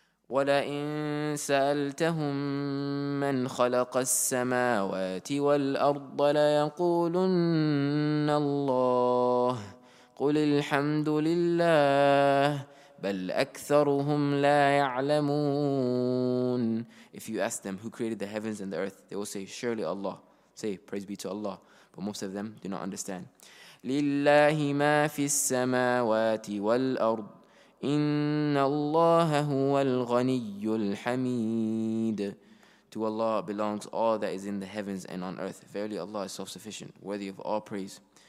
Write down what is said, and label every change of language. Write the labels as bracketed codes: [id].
[ar] وَلَئِن سَأَلْتَهُمْ مَنْ خَلَقَ السَّمَاوَاتِ وَالْأَرْضَ لَيَقُولُنَّ اللَّهِ قُلِ الْحَمْدُ لِلَّهِ بل أكثرهم لا يعلمون. [en] If you ask them who created the heavens and the earth, they will say, surely Allah. Say, praise be to Allah. But most of them do not understand. [ar] لله ما في السماوات والأرض إن الله هو الغني الحميد. [en] To Allah belongs all that is in the heavens and on earth. Verily Allah is self-sufficient, worthy of all praise.